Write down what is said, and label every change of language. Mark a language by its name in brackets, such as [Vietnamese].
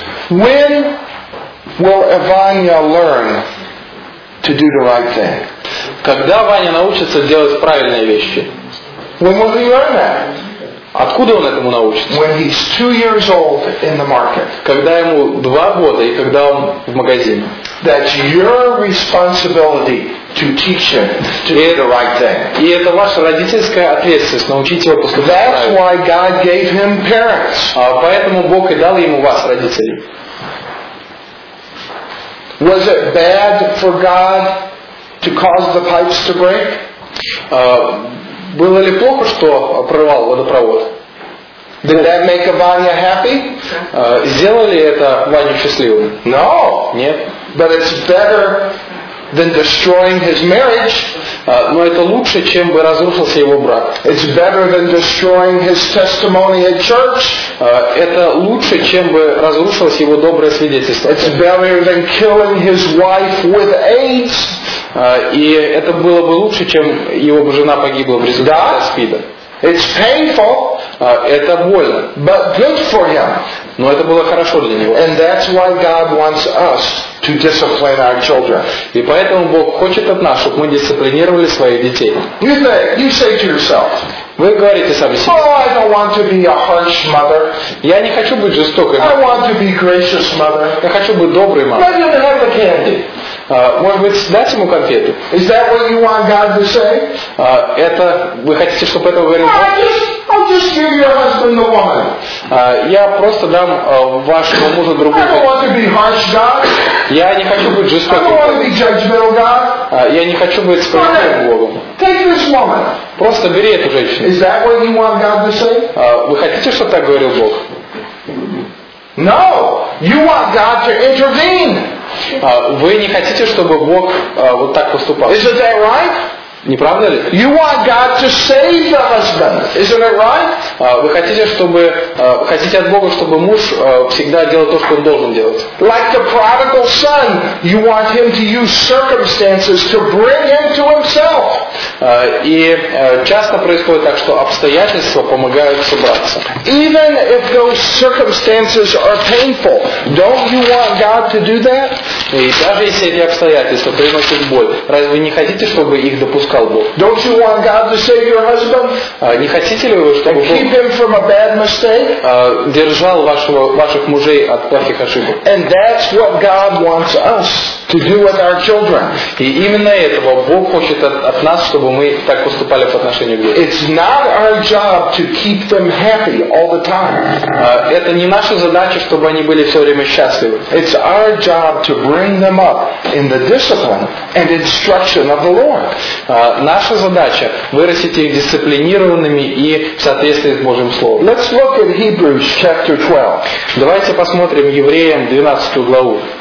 [English] When will Ivania learn to do the right thing? [Russian] Когда Ваня научится делать правильные вещи? [English] When will he learn that? [Russian] Откуда он этому научится? [English] When he's 2 years old in the market. [Russian] Когда ему 2 года и когда он в магазине. [English] That's your responsibility to teach him to do the right thing. [Russian] И это ваша родительская ответственность научить его поступать правильно. [English] That's why God gave him parents. [Russian] А поэтому Бог и дал ему вас, родителей. [English] Was it bad for God to cause the pipes to break? [Russian] Было ли плохо, что прорвал водопровод? [English] Did that make Ivania happy? [Russian] Сделало ли это Ваню счастливым? [English] No. [Russian] Нет. [English] But it's better than destroying his marriage. [Russian] Но это лучше, чем бы разрушился его брак. [English] It's better than destroying his testimony at church. [Russian] Это лучше, чем бы разрушилось его доброе свидетельство. [English] It's better than killing his wife with AIDS. [Russian] И это было бы лучше, чем его бы жена погибла в результате СПИДа. [English] It's painful. [Russian] Это больно. [English] But good for him. [Russian] Но это было хорошо для него. [English] And that's why God wants us to discipline our children. [Russian] И поэтому Бог хочет от нас, чтобы мы дисциплинировали своих детей. [English] You say to yourself. [Russian] Вы говорите сами себе. [English] Oh, I don't want to be a harsh mother. [Russian] Я не хочу быть жестокой матерью. [English] I want to be gracious mother. [Russian] Я хочу быть доброй матерью. [English] Maybe I'll have a candy. [Russian] Может быть, дать ему конфету? [English] Is that what you want God to say? [Russian] Это вы хотите, чтобы этого говорил Бог? [English] I'll just give your husband the woman. [Russian] Я просто дам вашему мужу другую. [English] I don't want to be harsh God. [Russian] Я не хочу быть жестоким. [English] I don't want to be judgmental God. [Russian] Я не хочу быть справедливым Богом. [English] Take this woman. [Russian] Просто бери эту женщину. [English] Is that what you want God to say? [Russian] Вы хотите, чтобы так говорил Бог? [English] No. You want God to intervene. [Russian] Вы не хотите, чтобы Бог вот так поступал? [English] Isn't that right? [Russian] Не правда ли? [English] You want God to save the husband. Isn't that right? [Russian] Вы хотите, чтобы хотите от Бога, чтобы муж всегда делал то, что он должен делать? [English] Like the prodigal son, you want him to use circumstances to bring him to himself. [Russian] И часто происходит так, что обстоятельства помогают собраться. [English] Even if those circumstances are painful, don't you want God to do that? [Russian] И даже если эти обстоятельства приносят боль, разве не хотите, чтобы их допустили? [English] Don't you want God to save your husband? [Russian] Не хотите ли вы, чтобы [English] Бог keep him from a bad mistake? [Russian] Держал ваших мужей от плохих ошибок. [English] And that's what God wants us to do with our children. [Russian] И именно этого Бог хочет от нас, чтобы мы так поступали по отношению к детям. [English] It's not our job to keep them happy all the time. [Russian] Это не наша задача, чтобы они были все время счастливы. [English] It's our job to bring them up in the discipline and instruction of the Lord. [Russian] Наша задача вырастить их дисциплинированными и в соответствии с Божьим Словом. [English] Let's look at Hebrews chapter 12. [Russian] Давайте посмотрим Евреям 12 главу.